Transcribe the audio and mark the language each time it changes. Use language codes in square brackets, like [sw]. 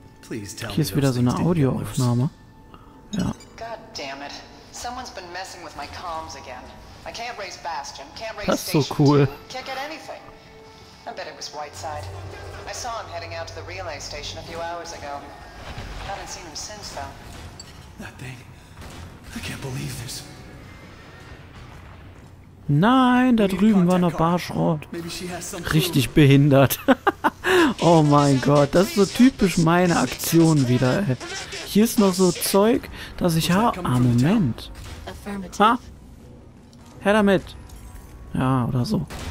[de] Hier ist wieder so eine Audioaufnahme. [en] Ja. God damn it. Someone's been messing with my comms again. I can't raise Bastion, can't raise Station 2. That's so cool. Can't get anything. I bet it was Whiteside. I saw him heading out to the relay station a few hours ago. I haven't seen him since, though. That thing. I can't believe this. [de] Nein, da drüben war noch Barschrott. Richtig behindert. Oh mein Gott, das ist so typisch meine Aktion wieder. Ey. Hier ist noch so Zeug, das ich habe. Ah, Moment. Ha! Her damit! Ja, oder so.